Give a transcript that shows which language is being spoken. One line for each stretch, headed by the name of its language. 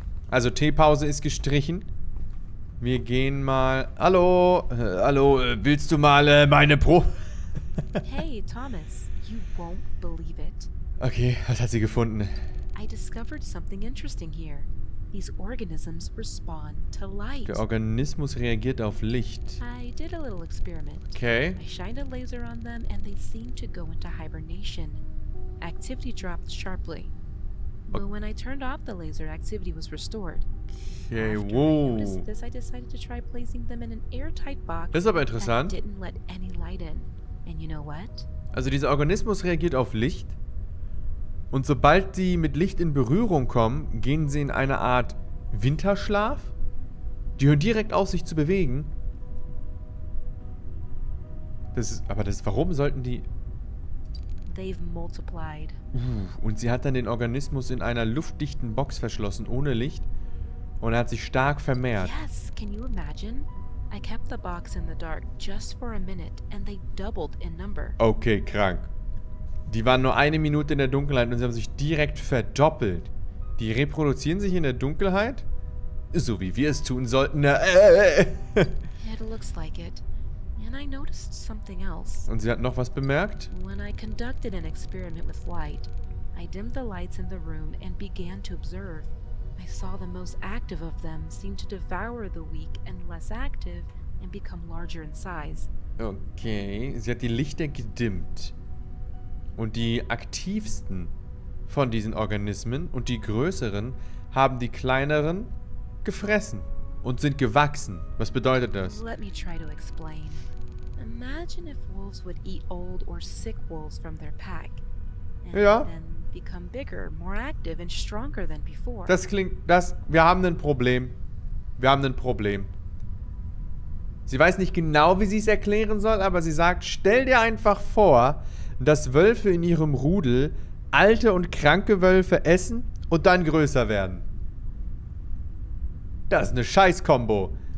German: Also, Teepause ist gestrichen. Wir gehen mal... Hallo! Hallo, willst du mal meine Pro...
English: Hey, Thomas. You won't believe it.
German: Okay, was hat sie gefunden?
English: I discovered something interesting here. These organisms respond to light.
German: Der Organismus reagiert auf Licht.
English: I did a little experiment. Okay. I shined a laser on them and they seemed to go into hibernation. Activity dropped sharply. But when I turned off the laser, activity was restored. Okay, after whoa. I noticed this, I decided to try placing them in an airtight box.
German: Das ist aber interessant.
English: That didn't let any light in. And you know what?
German: Also dieser Organismus reagiert auf Licht. Und sobald die mit Licht in Berührung kommen, gehen sie in eine Art Winterschlaf. Die hören direkt auf, sich zu bewegen. Warum sollten die...
English: They've multiplied.
German: Und sie hat dann den Organismus in einer luftdichten Box verschlossen, ohne Licht. Und er hat sich stark vermehrt.
English: Yes, can you imagine? I kept the box in the dark just for a minute and they doubled in number.
German: Okay, krank. Die waren nur eine Minute in der Dunkelheit und sie haben sich direkt verdoppelt. Die reproduzieren sich in der Dunkelheit? So wie wir es tun sollten.
English: It looks like it. And I noticed something else.
German: Und sie hat noch was bemerkt?
English: When I conducted an experiment with light, I dimmed the lights in the room and began to observe. I saw the most active of them seem to devour the weak and less active and become larger in size.
German: Okay, sie hat die Lichter gedimmt. Und die aktivsten von diesen Organismen und die größeren haben die kleineren gefressen und sind gewachsen. Was bedeutet das?
English: Let me try to explain. Imagine if wolves would eat old or sick wolves from their pack.
German: Ja.
English: And become bigger, more active and stronger than before.
German: Wir haben ein Problem. Sie weiß nicht genau, wie sie es erklären soll, aber sie sagt, stell dir einfach vor, dass Wölfe in ihrem Rudel alte und kranke Wölfe essen und dann größer werden. Das ist eine Scheiß-Kombo.